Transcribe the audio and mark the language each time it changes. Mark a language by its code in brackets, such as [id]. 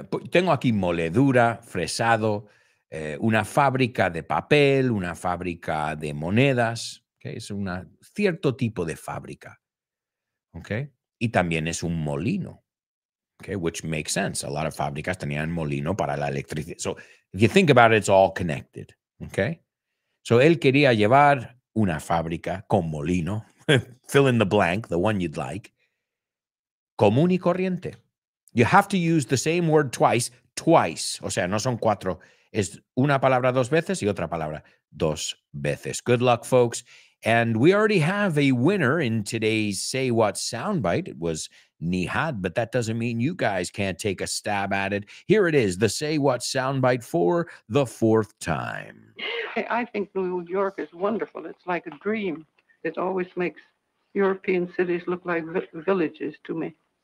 [es] tengo aquí moledura, fresado, una fábrica de papel, una fábrica de monedas, que ¿okay? Es un cierto tipo de fábrica. ¿Okay? Y también es un molino. [en] Okay, which makes sense. A lot of [es] fábricas tenían molino para la electricidad. [en] So if you think about it, it's all connected. [es] Okay? So él quería llevar una fábrica con molino, [en] fill in the blank, the one you'd like, [es] común y corriente. [en] You have to use the same word twice. [es] O sea, no son cuatro. Es una palabra dos veces y otra palabra dos veces. [en] Good luck, folks. And we already have a winner in today's Say What soundbite. It was Nihad, but that doesn't mean you guys can't take a stab at it. Here it is, the Say What soundbite for the fourth time. I think New York is wonderful. It's like a dream. It always makes European cities look like villages to me.